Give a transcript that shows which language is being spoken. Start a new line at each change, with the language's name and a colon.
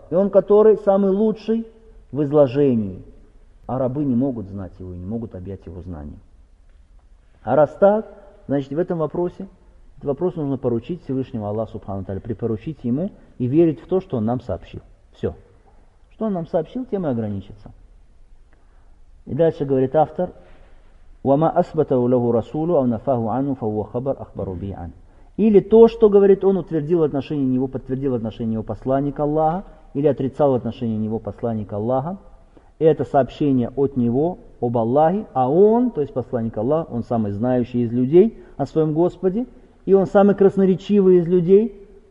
Russian: И он, который самый лучший в изложении. А рабы не могут знать его и не могут объять его знанием. А раз так, значит, в этом вопросе, этот вопрос нужно поручить Всевышнему Аллаху Субхану Ва Тааля, припоручить ему и верить в то, что он нам сообщил. Все. Что он нам сообщил, тем и ограничится.
Arabic: И дальше говорит автор, وَمَا أَثْبَتَهُ لَهُ رَسُولُ أَوْ نَفَاهُ عَنُهُ فَهُوَ خَبَرْ أَخْبَرُ بِهِ عَنْهُ.
Russian: Или то, что говорит он, утвердил отношение него, подтвердил отношение его посланника Аллаха, или отрицал отношение него посланника Аллаха. Это сообщение от него об Аллахе, а он, то есть посланник Аллаха, он самый знающий из людей о своем Господе, и он самый красноречивый из людей.